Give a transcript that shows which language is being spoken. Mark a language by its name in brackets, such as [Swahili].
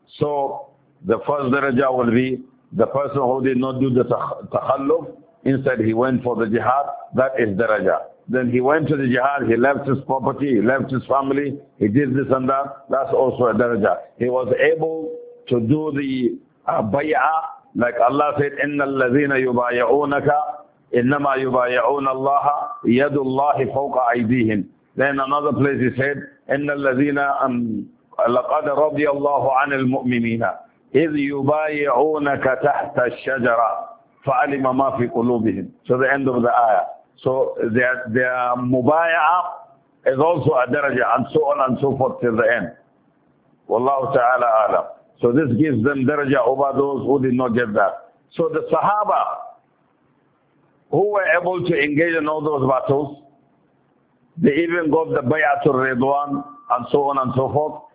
[English] So, the first daraja will be the person who did not do the takhalluf, instead he went for the jihad, that is daraja. Then he went to the jihad, he left his property, he left his family, he did this and that, that's also a daraja. He was able to do the bay'ah, like Allah said, [Arabic] إِنَّ الَّذِينَ يُبَايَعُونَكَ إِنَّمَا يُبَايَعُونَ اللَّهَ يَدُ اللَّهِ فَوْقَ أَيْدِيهِمْ [English] Then another place he said, [Arabic] إِنَّ الَّذِينَ لَقَدْ رَضِيَ اللَّهُ عَنِ الْمُؤْمِنِينَ إِذْ يُبَايَعُونَكَ تَحْتَ الشَّجَرَةِ فَعَلِمَ مَا فِي قُلُوبِهِمْ [English] So the end of the ayah. So their mubayah is also a daraja, and so on and so forth till the end. Wallahu ta'ala alam. So this gives them daraja over those who did not get that. So the Sahaba, who were able to engage in all those battles, they even got the bay'atul ridwan and so on and so forth.